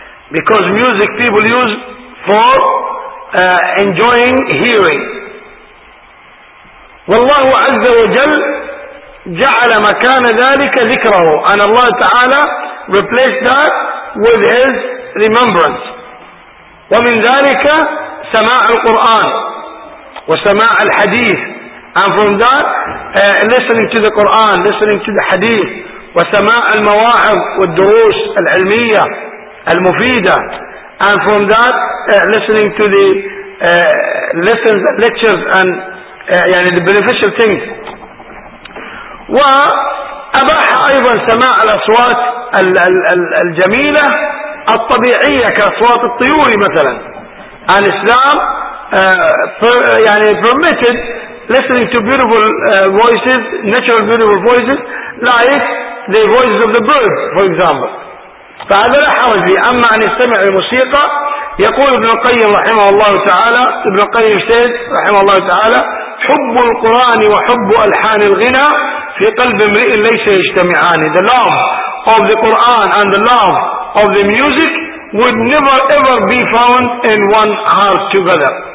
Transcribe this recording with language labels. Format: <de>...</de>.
<en>Because music people use for enjoying hearing.</en> <ar>والله عز وجل جعل مكان ذلك ذكره.</ar> <en>And Allah تعالى replaced that with His remembrance.</en> <ar>ومن ذلك سماع القرآن وسماع الحديث.</ar> <en>And from that listening to the Quran, listening to the hadith,</en> <ar>وسماع المواعظ والدروس العلمية المفيدة.</ar> <en>And from that listening to the lessons, lectures and يعني the beneficial things.</en> <ar>وأباح أيضا سماع الأصوات الجميلة الطبيعية كأصوات الطيور مثلا.</ar> <en>And Islam permitted listening to beautiful voices, natural beautiful voices, like the voices of the birds, for example.</en> <ar>فهذا لا حرج لي. أما أن يستمع الموسيقى, يقول ابن القيم رحمه الله تعالى, ابن القيم سيد رحمه الله تعالى, حب القرآن وحب ألحان الغنى في قلب امرئ ليس يجتمعان.</ar> <en>The love of the Quran and the love of the music would never ever be found in one heart together.</en>